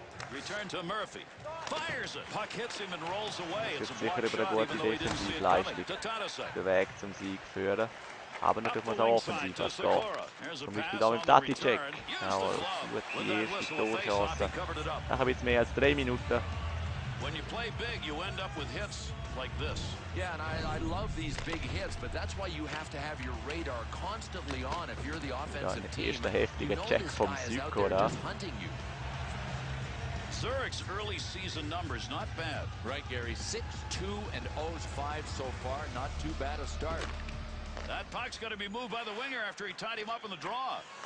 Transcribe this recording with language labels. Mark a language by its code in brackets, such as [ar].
[de] Das wird sicher über eine gute Defensivleistung den Weg zum Sieg führen. Aber natürlich muss auch offensiv was gehen. Zum Beispiel hier mit dem Tati-Check. Genau, gut die erste Torchance. Dann habe ich jetzt mehr als 3 Minuten. [en] When you play big, you end up with hits like this. Yeah, and I love these big hits, but that's why you have to have your radar constantly on if you're the offensive team. [de] Ist der heftige Check vom Süko, oder? [en] Zurich's early season numbers not bad, right, Gary? 6-2 and 0-5 so far, not too bad a start. That puck's got to be moved by the winger after he tied him up in the draw.